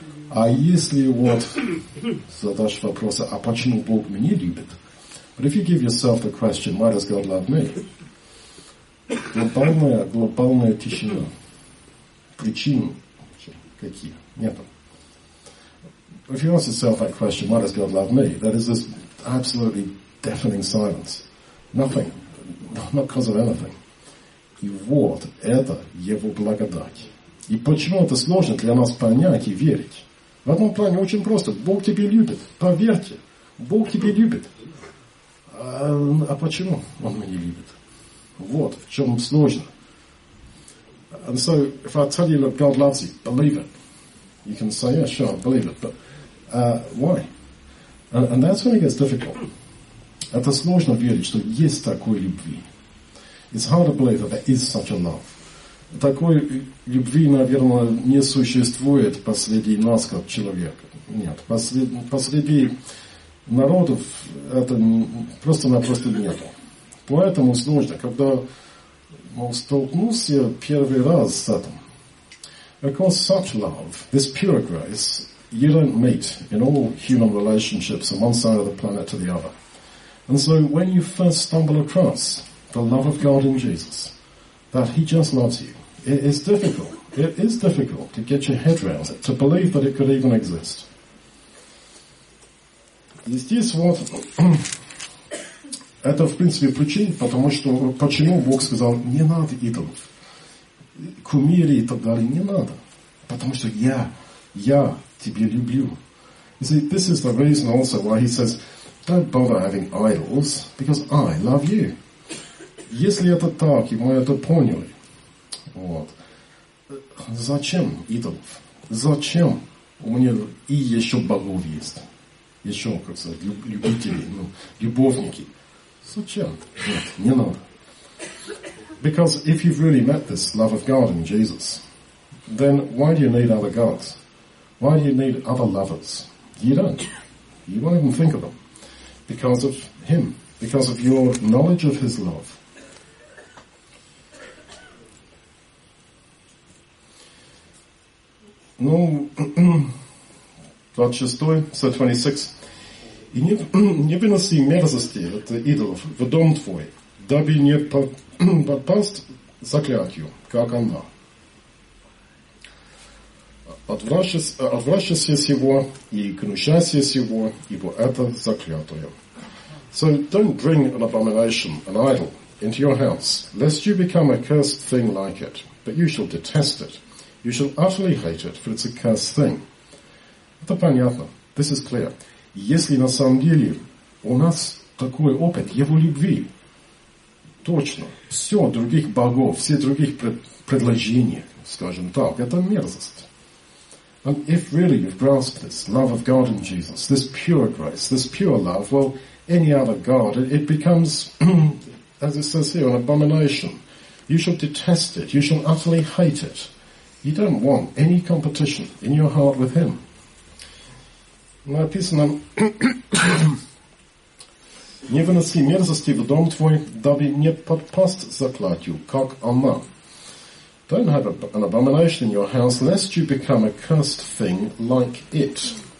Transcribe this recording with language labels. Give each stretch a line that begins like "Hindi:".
Russian: А если вот задашь вопрос, а почему Бог меня любит?
English: But if you give yourself the question, why does God love me?
Russian: Глобальная тишина. Причин какие? Нету.
English: If you ask yourself that question, why does God love me? That is this absolutely deafening silence. Nothing. Not because of anything.
Russian: И вот это его благодать. И почему это сложно для нас понять и верить? В одном плане очень просто. Бог тебя любит. Поверьте. Бог тебя любит. А почему он меня любит? Вот в чем сложно.
English: And so, if I tell you, look, God loves you, believe it. You can say, yeah, sure, believe it. But why? And that's when it gets difficult.
Russian: Это сложно верить, что есть такой любви.
English: It's hard to believe that there is such a love.
Russian: Такой любви, наверное, не существует посреди нас, как человека. Нет, посреди народов это просто-напросто нет. Поэтому сложно, когда мол, столкнулся первый раз с этим.
English: Because such love, this pure grace, you don't meet in all human relationships from one side of the planet to the other. And so when you first stumble across the love of God in Jesus, that he just loves you, it is difficult. It is difficult to get your head around it, to believe that it could even exist.
Russian: И здесь вот это, в принципе, причина, потому что почему Бог сказал, не надо идолов, кумири и так далее, не надо. Потому что я тебя люблю.
English: You see, this is the reason also why he says, don't bother having idols, because I love you.
Russian: Если это так, и мы это поняли, вот, зачем идолов? Зачем у меня и еще богов есть? Еще, как сказать, любители, ну, любовники. Зачем? Нет, не надо.
English: Because if you've really met this love of God in Jesus, then why do you need other gods? Why do you need other lovers? You don't. You won't even think of them. Because of him. Because of your knowledge of his love.
Russian: Ну, 26, 126. И не выноси мерзости от идолов в дом твой, дабы не попасть заклятию, как она. Отвращайся с его и гнущайся с его, ибо это заклятое.
English: So don't bring an abomination, an idol, into your house, lest you become a cursed thing like it. But you shall detest it. You shall utterly hate it, for it's a cursed thing.
Russian: Это понятно.
English: This is clear.
Russian: Если на самом деле у нас такой опыт его любви, точно, все других богов, все других предложений, скажем так, это мерзость.
English: And if really you've grasped this love of God in Jesus, this pure grace, this pure love, well, any other god, it becomes, as it says here, an abomination. You shall detest it. You shall utterly hate it. You don't want any competition in your heart with him.
Russian: Написано, не выноси мерзости в дом твой, дабы не подпасть заклятию, как она.
English: Don't have an abomination in your house, lest you become a cursed thing like it.